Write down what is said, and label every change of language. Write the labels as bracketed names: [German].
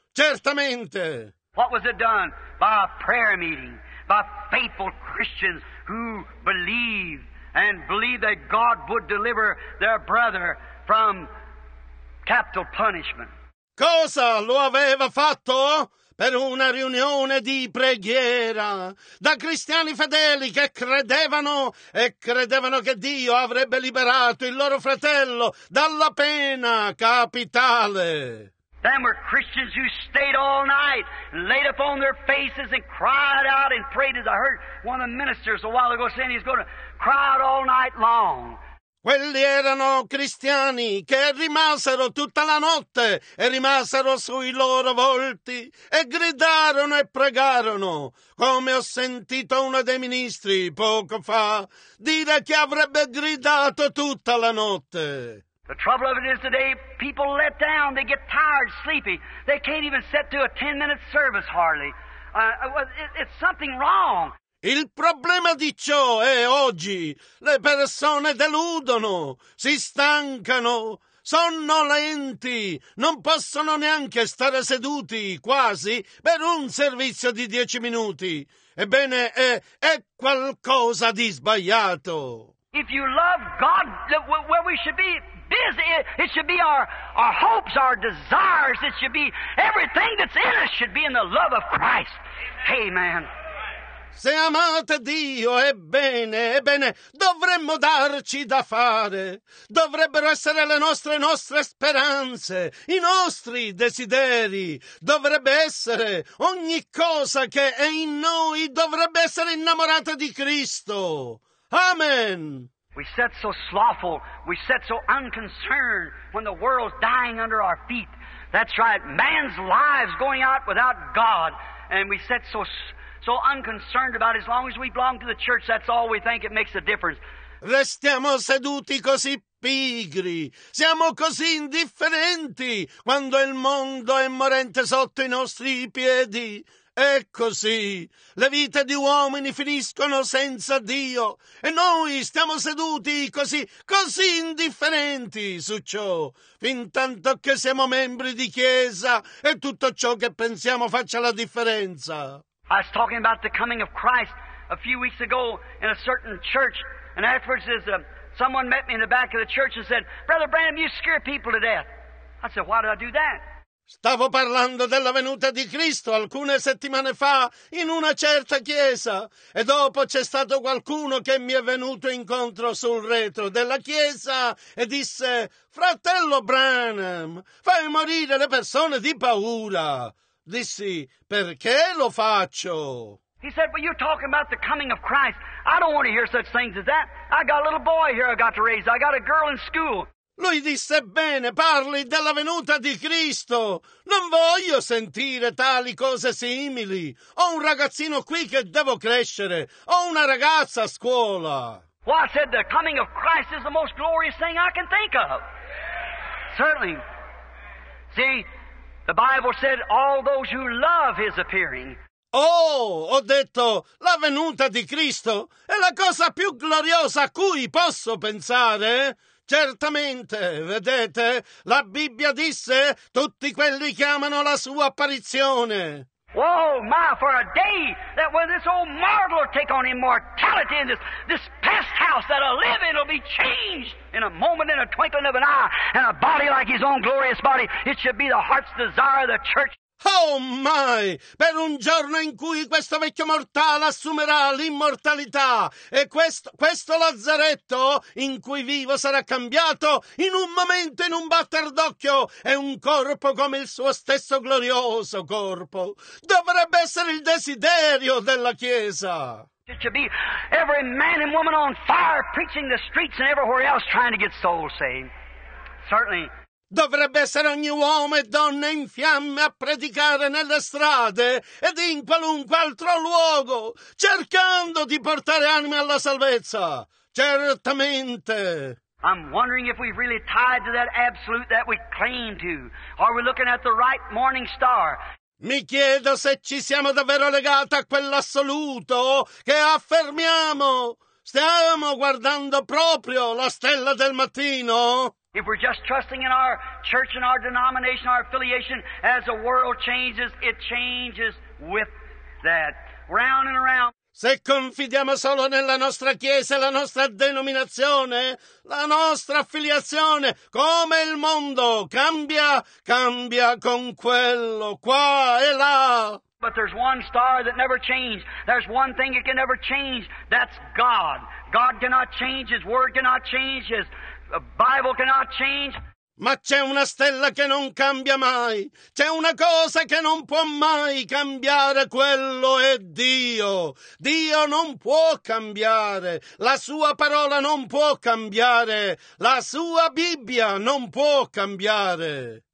[Italian] Certamente. [English] What was it done? By a prayer meeting. By faithful Christians who believe and believe that God would deliver their brother from capital punishment. [Italian] Cosa lo aveva fatto? Per una riunione di preghiera, da cristiani fedeli che credevano che Dio avrebbe liberato il loro fratello dalla pena capitale. [English] Then were Christians who stayed all night and laid upon their faces and cried out and prayed. As I heard one of the ministers a while ago saying, he's going to cry out all night long. [Italian] Quelli erano cristiani che rimasero tutta la notte e rimasero sui loro volti e gridarono e pregarono, come ho sentito uno dei ministri poco fa dire che avrebbe gridato tutta la notte. [English] The trouble of it is today, people let down, they get tired, sleepy, they can't even sit through a 10-minute service hardly. It's something wrong. [Italian] Il problema di ciò è oggi, le persone deludono, si stancano, sono lenti, non possono neanche stare seduti, quasi, per un servizio di 10 minuti. Ebbene, è qualcosa di sbagliato. [English] If you love God, where we should be... busy. It should be our hopes, our desires. It should be everything that's in us should be in the love of Christ. Amen. [Italian] Se amate Dio, ebbene, dovremmo darci da fare. Dovrebbero essere le nostre speranze, i nostri desideri. Dovrebbe essere ogni cosa che è in noi, dovrebbe essere innamorata di Cristo. Amen. [English] We sit so slothful, we sit so unconcerned when the world's dying under our feet. That's right, man's lives going out without God, and we sit so unconcerned about it. As long as we belong to the church, that's all we think, it makes a difference. [Italian] Restiamo seduti così pigri, siamo così indifferenti quando il mondo è morente sotto i nostri piedi. È così, le vite di uomini finiscono senza Dio e noi stiamo seduti così, così indifferenti su ciò, fin tanto che siamo membri di chiesa e tutto ciò che pensiamo faccia la differenza. [English] I was talking about the coming of Christ a few weeks ago in a certain church, and afterwards someone met me in the back of the church and said, Brother Branham, you scare people to death. I said, why did I do that? [Italian] Stavo parlando della venuta di Cristo alcune settimane fa in una certa chiesa e dopo c'è stato qualcuno che mi è venuto incontro sul retro della chiesa e disse, fratello Branham, fai morire le persone di paura. Dissi, perché lo faccio? [English] He said, well, you're talking about the coming of Christ. I don't want to hear such things as that. I got a little boy here I got to raise. I got a girl in school. [Italian] Lui disse, bene, parli della venuta di Cristo. Non voglio sentire tali cose simili. Ho un ragazzino qui che devo crescere. Ho una ragazza a scuola. [English] Well, I said the coming of Christ is the most glorious thing I can think of. Certainly. See, the Bible said all those who love his appearing. [Italian] Oh, ho detto, la venuta di Cristo è la cosa più gloriosa a cui posso pensare. Certamente, vedete, la Bibbia disse tutti quelli che amano la sua apparizione. [English] Oh, my, for a day that when this old mortal will take on immortality in this pest house that I live in will be changed in a moment, in a twinkling of an eye, and a body like his own glorious body. It should be the heart's desire of the church. [Italian] Oh my, per un giorno in cui questo vecchio mortale assumerà l'immortalità e questo lazzaretto in cui vivo sarà cambiato in un momento, in un batter d'occhio, e un corpo come il suo stesso glorioso corpo. Dovrebbe essere il desiderio della Chiesa. [English] It should be every man and woman on fire preaching the streets and everywhere else trying to get souls saved. Certainly. [Italian] Dovrebbe essere ogni uomo e donna in fiamme a predicare nelle strade ed in qualunque altro luogo, cercando di portare anime alla salvezza. Certamente. [English] I'm wondering if we've really tied to that absolute that we claim to. Are we looking at the right morning star? [Italian] Mi chiedo se ci siamo davvero legati a quell'assoluto che affermiamo. Stiamo guardando proprio la stella del mattino? [English] If we're just trusting in our church and our denomination, our affiliation, as the world changes, it changes with that. Round and around. [Italian] Se confidiamo solo nella nostra chiesa e la nostra denominazione, la nostra affiliazione, come il mondo cambia, cambia con quello qua e là. [English] But there's one star that never changed. There's one thing that can never change. That's God. God cannot change. His word cannot change. His Bible cannot change. [Italian] Ma c'è una stella che non cambia mai, c'è una cosa che non può mai cambiare, quello è Dio. Dio non può cambiare, la sua parola non può cambiare, la sua Bibbia non può cambiare.